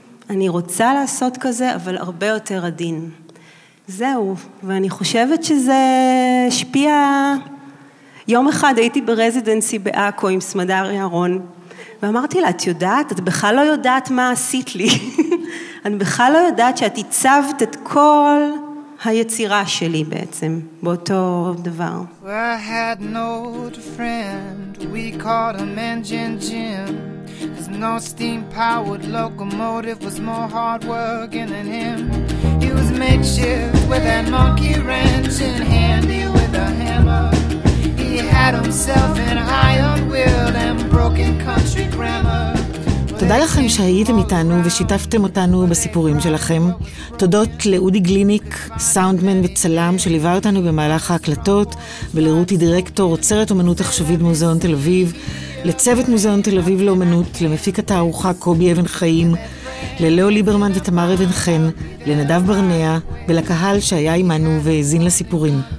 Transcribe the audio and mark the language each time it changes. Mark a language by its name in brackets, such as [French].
[Hebrew] אני רוצה לעשות כזה, אבל הרבה יותר עדין. זהו, ואני חושבת שזה השפיע יום אחד הייתי ברזידנסי באקו עם סמדר ירון, ואמרתי לה, את יודעת? את בכלל לא יודעת מה עשית לי. את בכלל לא יודעת שאת עיצבת את כל היצירה שלי בעצם, באותו דבר. [English] I had an old friend, we called him Engine Jim. His no steam-powered locomotive was more hard-working than him. He was makeshift with that monkey wrench and handy with a hammer. He had himself an iron will and broken country grammar. [Hebrew] תודה לכם שהייתם איתנו ושיתפתם אותנו בסיפורים שלכם. תודות לאודי גליניק, סאונדמן וצלם שליווה אותנו במהלך ההקלטות, ולרותי דירקטור, עוצרת אומנות עכשווית מוזיאון תל אביב, לצוות מוזיאון תל אביב לאומנות, למפיק התערוכה קובי אבן חיים, ללאו ליברמן ותמר אבן חן, לנדב ברנע, ולקהל שהיה עמנו והזין לסיפורים.